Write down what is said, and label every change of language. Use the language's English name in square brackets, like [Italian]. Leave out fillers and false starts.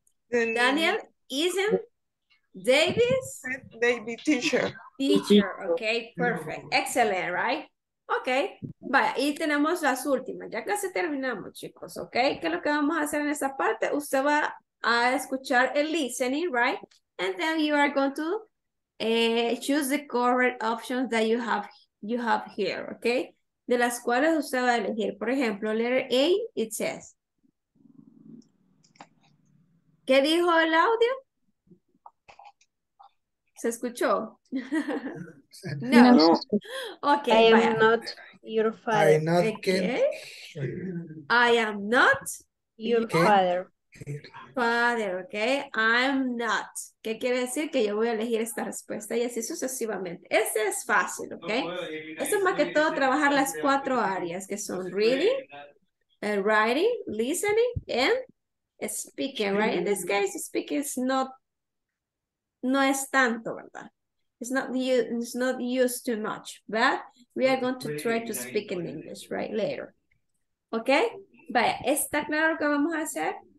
[English] Daniel, isn't Davis? David teacher. Teacher, ok, perfect. Excellent, right? Ok, [Spanish] vaya, y tenemos las últimas. Ya casi terminamos, chicos, ok. ¿Qué es lo que vamos a hacer en esta parte? Usted va a escuchar el listening, right? [English] And then you are going to choose the correct options that you have here, ok. [Spanish] De las cuales usted va a elegir. Por ejemplo, [English] letter A, it says... [Spanish] ¿Qué dijo el audio? ¿Se escuchó? No. No. [English] Okay, I am not your father. I am not, okay. I am not your father. Father, ok. I am not. [Spanish] ¿Qué quiere decir? Que yo voy a elegir esta respuesta y así sucesivamente. Ese es fácil, ok. Eso es más que todo trabajar las cuatro áreas que son reading, writing, listening, and speaking, right? [English] In this case, speaking is not, [Spanish] no es tanto, ¿verdad? [English] It's not used too much, but we are going to try to speak in English, right? Later. Okay? [Spanish] Vaya, ¿está claro lo que vamos a hacer?